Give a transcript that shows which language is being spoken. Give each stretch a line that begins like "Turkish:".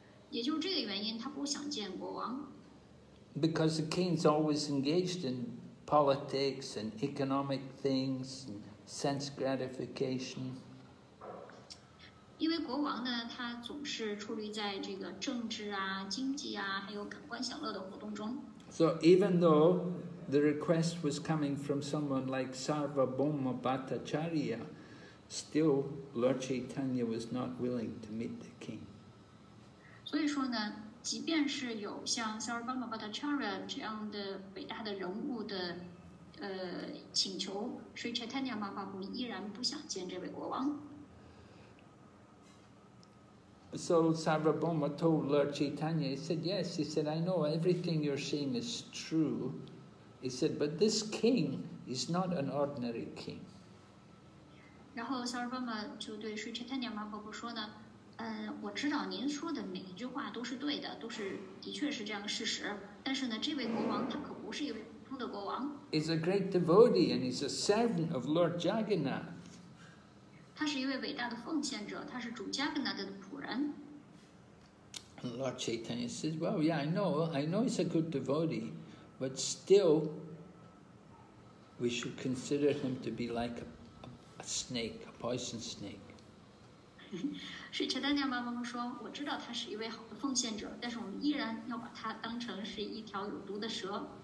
Chinese: 也就是这个原因，他不想见国王。
English: Because the king's always engaged in politics and economic things and sense gratification.
Chinese: 因为国王呢，他总是处于在这个政治啊、经济啊，还有感官享乐的活动中。
English: So even though the request was coming from someone like Sarvabhauma Bhattacharya, still Lord Chaitanya was not willing to meet the king.
Chinese: 所以说呢。即便是有像 Sarvabhauma Bhattacharya 这样的伟大的人物的请求， Sri Chaitanya Mahaprabhu 依然不想见这位国王。
English: So Sarvabhauma told Lord Chaitanya, he said, yes, he said, I know everything you're saying is true. He said, but this king is not an ordinary king.
Chinese: 然后 Sarvabhauma 就对 Sri Chaitanya Mahaprabhu 说呢，我知道您说的每一句话都是对的，都是的确是这样事实。但是呢，这位国王他可不是一位普通的国王。
English: He's a great devotee and he's a servant of Lord Jagannath.
Chinese: 他是一位伟大的奉献者，他是主加格纳德的仆人。
English: And Lord Chaitanya says, "Well, yeah, I know he's a good devotee, but still, we should consider him to be like a snake, a poison snake."
Chinese: 是 Chaitanya Mahaprabhu 说，我知道他是一位好的奉献者，但是我们依然要把他当成是一条有毒的蛇。